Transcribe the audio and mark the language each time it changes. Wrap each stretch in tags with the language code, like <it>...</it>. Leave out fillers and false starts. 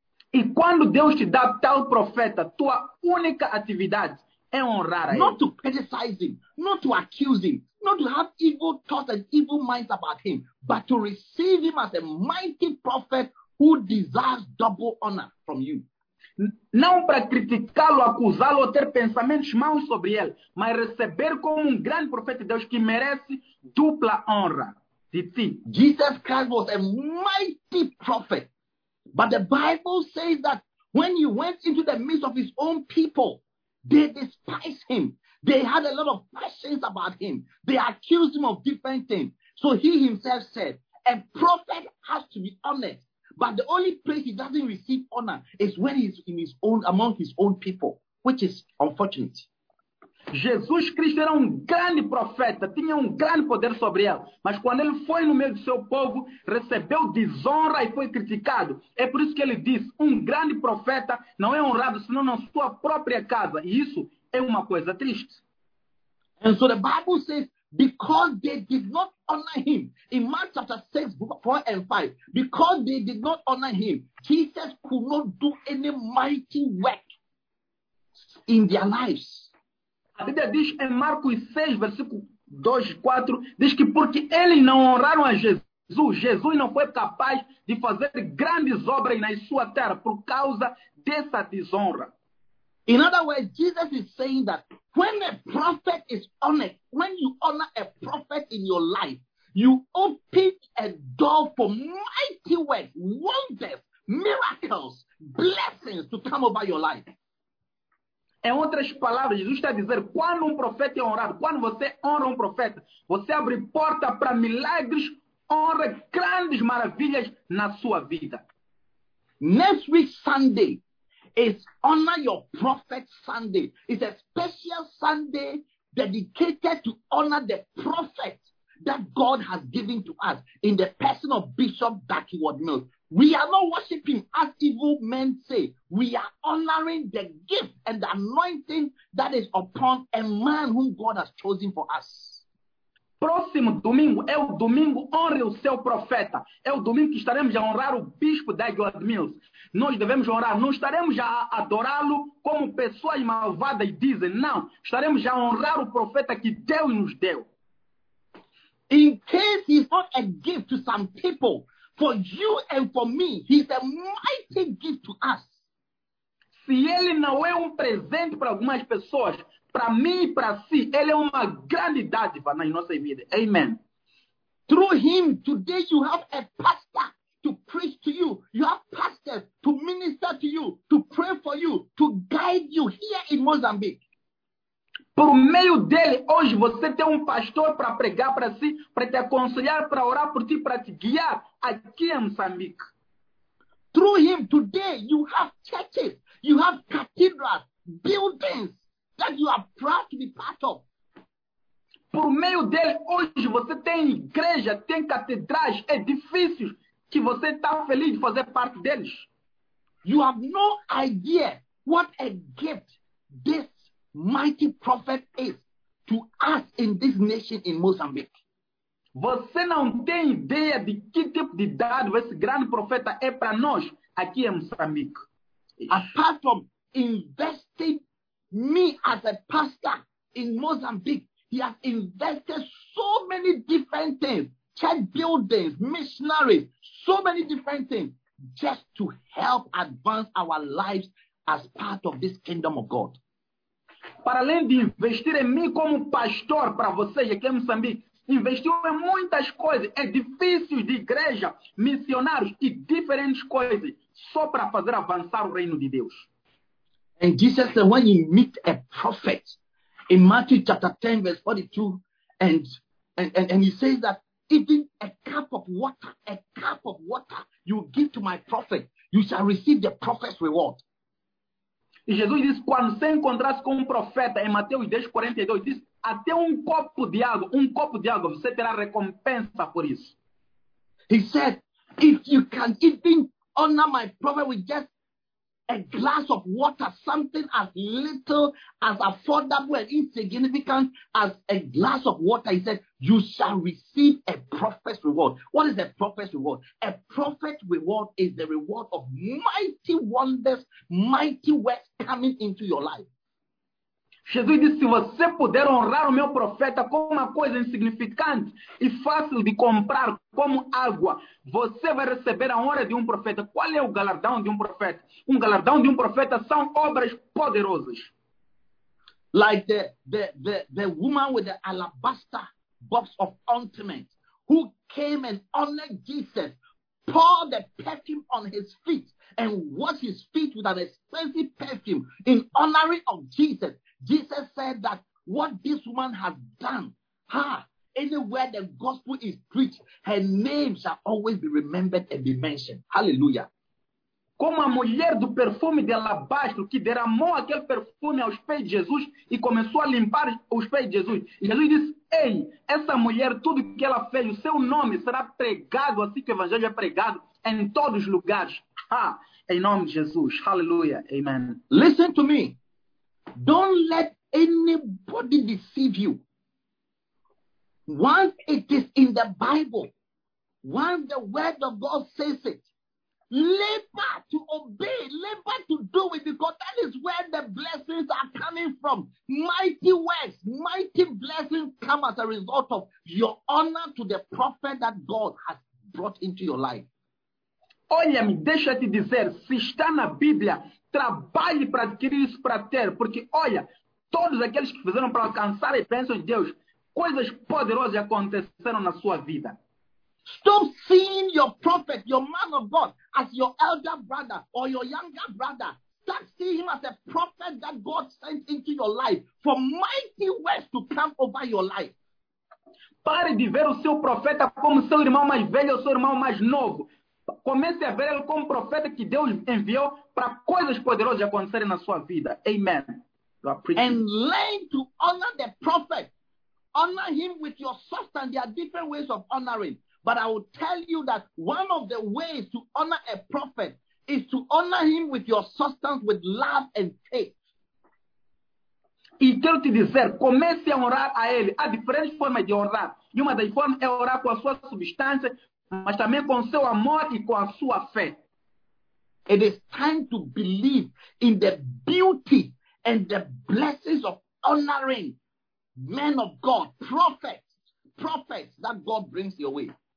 <pt>E quando Deus te dá tal profeta, tua única atividade é honrar a ele.</pt> <en>Not to criticize him, not to accuse him, not to have evil thoughts and evil minds about him, but to receive him as a mighty prophet who deserves double honor from you.</en> <pt>Não para criticá-lo, acusá-lo ou ter pensamentos maus sobre ele, mas receber como grande profeta de Deus que merece dupla honra de ti.</pt> <en>Jesus Christ was a mighty prophet, but the Bible says that when he went into the midst of his own people, they despised him. They had a lot of questions about him. They accused him of different things. So he himself said, a prophet has to be honest. But the only place he doesn't receive honor is when he's in his own, among his own people, which is unfortunate.</en> <pt>Jesus Cristo era grande profeta, tinha grande poder sobre ele. Mas quando ele foi no meio do seu povo, recebeu desonra e foi criticado. É por isso que ele diz, grande profeta não é honrado senão na sua própria casa. E isso é uma coisa triste.</pt> <en>And so the Bible says, because they did not honor him. In Mark chapter 6, 4 and 5. Because they did not honor him, Jesus could not do any mighty work in their lives.</en> <pt>A Bíblia diz em Marcos 6, versículo 2 e 4, diz que porque eles não honraram a Jesus, Jesus não foi capaz de fazer grandes obras na sua terra por causa dessa desonra.</pt> <en>In other words, Jesus is saying that when a prophet is honored, when you honor a prophet in your life, you open a door for mighty works, wonders, miracles, blessings to come over your life.</en> <pt>Em outras palavras, Jesus está dizendo, quando profeta é honrado, quando você honra profeta, você abre porta para milagres, honra grandes maravilhas na sua vida.</pt> <en>Next week, Sunday, is Honor Your Prophet Sunday. It's a special Sunday dedicated to honor the prophet that God has given to us in the person of Bishop Duckyward Mills. We are not worshiping as evil men say. We are honoring the gift and the anointing that is upon a man whom God has chosen for us.</en> <pt>Próximo domingo é o domingo honre o seu profeta. É o domingo que estaremos a honrar o bispo Duckyward Mills. Nós devemos honrar, não estaremos a adorá-lo como pessoas malvadas dizem. Não, estaremos a honrar o profeta que Deus nos deu.</pt> <en>In case he's not a gift to some people, for you and for me, he's a mighty gift to us.</en> <pt>Se ele não é presente para algumas pessoas, para mim e para si, ele é uma grande dádiva nas nossas vidas.</pt> <en>Amen. Through him, today you have a pastor to preach to you. You have pastors to minister to you, to pray for you, to guide you here in Mozambique.</en> <pt>Por meio dele, hoje você tem pastor para pregar para si, para te aconselhar, para orar por ti, para te guiar aqui em Moçambique.</pt> <en>Through him today, you have churches, you have cathedrals, buildings that you are proud to be part of.</en> <pt>Por meio dele, hoje você tem igreja, tem catedrais, edifícios que você está feliz de fazer parte deles.</pt> <en>You have no idea what a gift this mighty prophet is to us in this nation in Mozambique.</en> <pt>Você não tem ideia de que tipo de dado esse grande profeta é para nós aqui em Moçambique.</pt> <en>Apart from investing me as a pastor in Mozambique, he has invested so many different things, church buildings, missionaries, so many different things, just to help advance our lives as part of this kingdom of God.</en> <pt>Para além de investir em mim como pastor para vocês aqui em Moçambique, investiu em muitas coisas, edifícios de igreja, missionários e diferentes coisas, só para fazer avançar o reino de Deus.</pt> <en>And Jesus said, when you meet a prophet, in Matthew chapter 10, verse 42, and he says that even a cup of water you give to my prophet, you shall receive the prophet's reward.</en> <pt>E Jesus disse, quando você encontrasse com um profeta, em Mateus 10, 42, diz, até um copo de água, você terá recompensa por isso.</pt> <en>He said, if you can even honor my prophet with just a glass of water, something as little, as affordable, and insignificant as a glass of water, he said, you shall receive a prophet's reward. What is a prophet's reward? A prophet's reward is the reward of mighty wonders, mighty works coming into your life.</en> <pt>Jesus disse, se você puder honrar o meu profeta como uma coisa insignificante e fácil de comprar como água, você vai receber a honra de um profeta. Qual é o galardão de um profeta? Um galardão de um profeta são obras poderosas.</pt> <en>Like the woman with the alabaster box of ointment, who came and honored Jesus, poured the perfume on his feet and washed his feet with an expensive perfume in honoring of Jesus. Jesus said that what this woman has done, anywhere the gospel is preached, her name shall always be remembered and be mentioned. Hallelujah.</en> <pt>Como a mulher do perfume de alabastro que derramou aquele perfume aos pés de Jesus e começou a limpar os pés de Jesus. Jesus disse, ei, essa mulher, tudo que ela fez, o seu nome será pregado assim que o evangelho é pregado em todos os lugares. Em nome de Jesus. Hallelujah. Amen.</pt> <en>Listen to me. Don't let anybody deceive you. Once it is in the Bible, once the word of God says it, labor to obey, labor to do it, because that is where the blessings are coming from. Mighty words, mighty blessings come as a result of your honor to the prophet that God has brought into your life.</en> <pt>Olha-me, deixa-te dizer, se está na Bíblia, trabalhe para adquirir isso para ter, porque olha, todos aqueles que fizeram para alcançar a bênção de Deus, coisas poderosas aconteceram na sua vida.</pt> <en>Stop seeing your prophet, your man of God, as your elder brother or your younger brother. Start seeing him as a prophet that God sent into your life for mighty words to come over your life.</en> <pt>Pare de ver o seu profeta como seu irmão mais velho ou seu irmão mais novo. Comece a ver ele como profeta que Deus enviou para coisas poderosas acontecerem na sua vida. Amen.</pt> <en>And learn to honor the prophet. Honor him with your substance. There are different ways of honoring. But I will tell you that one of the ways to honor a prophet is to honor him with your substance, with love and faith.</en> <pt>E quero te dizer, comece a orar a ele. Há diferentes formas de orar. E uma das formas é orar com a sua substância, mas também com seu amor e com a sua fé.</pt> <en>It is time to believe in the beauty and the blessings of honoring men of God, prophets that God brings your way.</en>